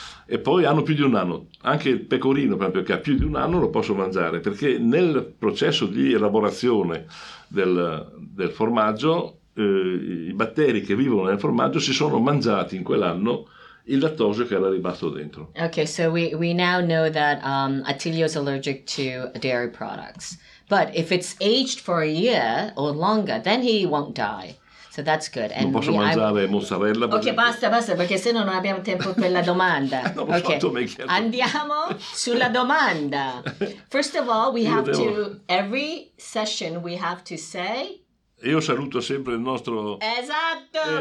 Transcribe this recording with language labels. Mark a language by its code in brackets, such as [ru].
[it] E poi hanno più di un anno. Anche il pecorino, per esempio, che ha più di un anno, lo posso mangiare, perché nel processo di elaborazione del formaggio, i batteri che vivono nel formaggio si sono mangiati in quell'anno il lattosio che era rimasto dentro. [en] Okay, so we now know that Attilio is allergic to dairy products. But if it's aged for a year or longer, then he won't die. So that's good. [it] And non posso mangiare mozzarella. Ok, basta, perché se no non abbiamo tempo per la domanda. Andiamo sulla domanda. [en] First of all, every session we have to say... [it] Io saluto sempre il nostro... Esatto,